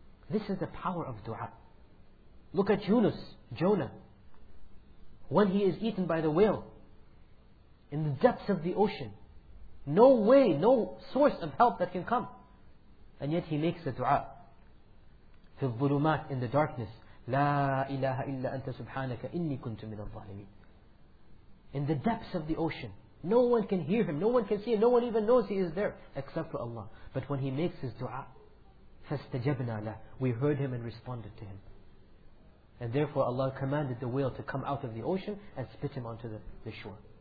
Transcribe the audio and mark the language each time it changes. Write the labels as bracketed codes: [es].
[en] This is the power of dua. Look at Yunus, Jonah. When he is eaten by the whale in the depths of the ocean, no way, no source of help that can come, and yet he makes a dua. [ar] في الظلمات, [en] in the darkness, [ar] لا إله إلا أنت سبحانك إني كنت من الظالمين. [en] In the depths of the ocean, no one can hear him, no one can see him, no one even knows he is there except for Allah. But when he makes his dua, [ar] فاستجبنا له, [en] we heard him and responded to him. And therefore Allah commanded the whale to come out of the ocean and spit him onto the shore.